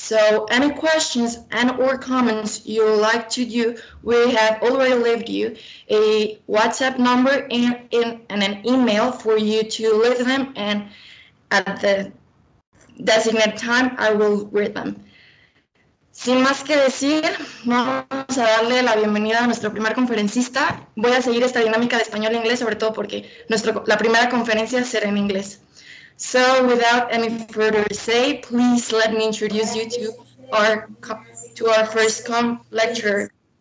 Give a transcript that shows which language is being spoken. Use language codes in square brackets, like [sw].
[en] So any questions and or comments you'd like to do, we have already left you a WhatsApp number and an email for you to leave them, and at the designated time, I will read them. [es] Sin más que decir, vamos a darle la bienvenida a nuestro primer conferencista. Voy a seguir esta dinámica de español e inglés, sobre todo porque la primera conferencia será en inglés. [en] So without any further say, please let me introduce you to our first lecturer.